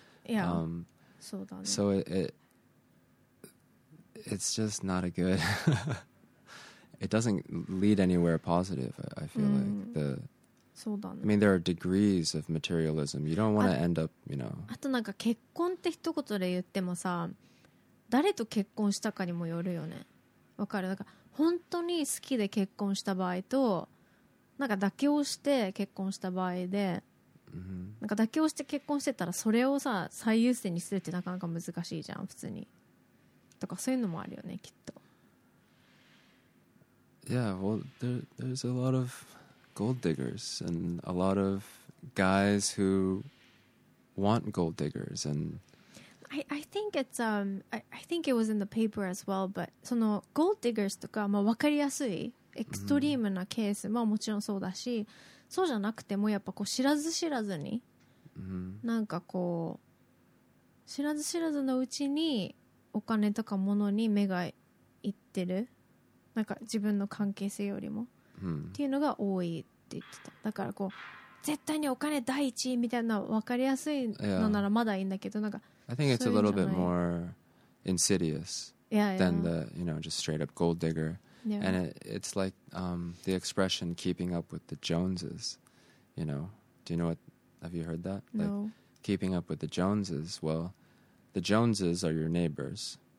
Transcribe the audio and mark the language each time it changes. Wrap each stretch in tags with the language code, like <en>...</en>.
<en>Yeah, so that. So it's just not a good it doesn't lead anywhere positive, I feel like. The,</en> <ja>そうだね。</ja> <en>I mean, there are degrees of materialism. You don't want to end up, you know.</en> <ja>あとなんか結婚って一言で言ってもさ、誰と結婚したかにもよるよね。わかる？なんか本当に好きで結婚した場合と、なんか妥協して結婚した場合で、なんか妥協して結婚してたらそれをさ最優先にするってなかなか難しいじゃん普通に。とかそういうのもあるよねきっと。</ja> <en>Yeah, well, there's a lot of gold diggers and a lot of guys who want gold diggers. And I think it was in the paper as well. But</en> <ja>そのゴールディガーズとか、まあ、分かりやすいエクストリームなケースも、もちろんそうだし、そうじゃなくてもやっぱこう知らず知らずに、なんかこう知らず知らずのうちにお金とか物に目がいってる、なんか自分の関係性よりもっていうのが多いって言ってた。だからこう絶対にお金第一みたいな分かりやすいのならまだいいんだけど、なんか、</ja> <en>I think it's a little bit more insidious than the, you know, just straight up gold digger. Yeah. And it's like the expression keeping up with the Joneses, you know. Do you know what, have you heard that? No. Like, keeping up with the Joneses, well, the Joneses are your neighbors.</en>